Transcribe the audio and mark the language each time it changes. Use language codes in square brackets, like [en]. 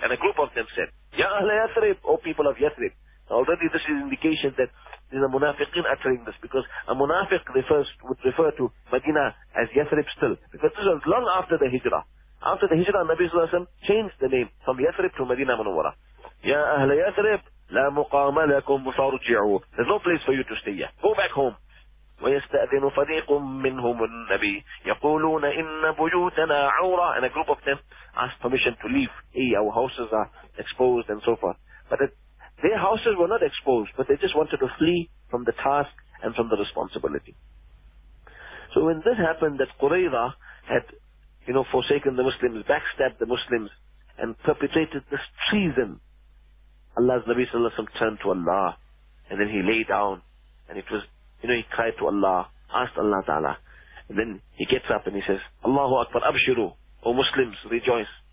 [en] And a group of them said, [ar] يَا أَهْلَ يَثْرِبْ, [en] O people of Yathrib. Already this is indication that there's a munafiqin uttering this, because a munafiq would refer to Medina as Yathrib still. Because this was long after the Hijrah. After the Hijrah, Nabi Sallallahu Alaihi Wasallam changed the name from Yathrib to Medina Munawwara. [ar] يَا أَهْلَ يَثْرِبْ لَا مُقَامَ لَكُمْ فَارُجِعُوا. [en] There's no place for you to stay here. Go back home. [ar] ويستأذن فريق منهم النبي يقولون إن بيوتنا عورة. [en] And a group of them asked permission to leave. Hey, our houses are exposed and so forth. But their houses were not exposed, but they just wanted to flee from the task and from the responsibility. So when this happened, that Qurayza had, you know, forsaken the Muslims, backstabbed the Muslims, and perpetrated this treason, Allah's Nabi sallallahu alayhi wa sallam turned to Allah, and then he lay down, and it was, you know, he cried to Allah, asked Allah Ta'ala, and then he gets up and he says, Allahu Akbar, abshiru, O Muslims, rejoice.